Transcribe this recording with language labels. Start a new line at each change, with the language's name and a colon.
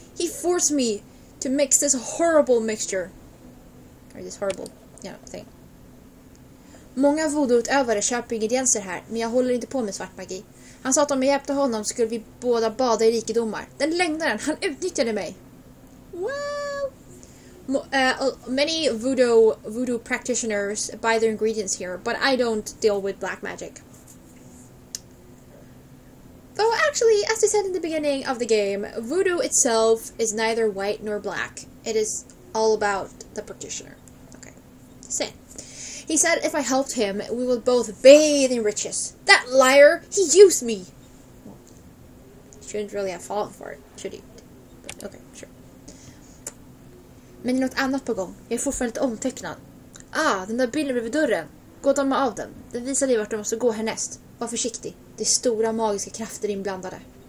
English: He forced me to mix this horrible mixture. Or this horrible, thing.
Swedish: Många voodoo-utövare köper ingredienser här, men jag håller inte på med svart magi. Han sa att om jag hjälpte honom skulle vi båda bada i rikedomar. Den lögnaren, han utnyttjade mig.
English: What? Many voodoo practitioners buy their ingredients here, but I don't deal with black magic. Though actually, as I said in the beginning of the game, voodoo itself is neither white nor black. It is all about the practitioner. Okay. Sin. He said if I helped him, we would both bathe in riches. That liar! He used me! Shouldn't really have fallen for it, should he? But, okay, sure.
Swedish: Men är något annat på gång. Jag är fortfarande lite omtecknad. Ah, den där bilden bredvid dörren. Gå och damma av den. Den visar dig vart du måste gå härnäst. Var försiktig. Det är stora magiska krafter inblandade.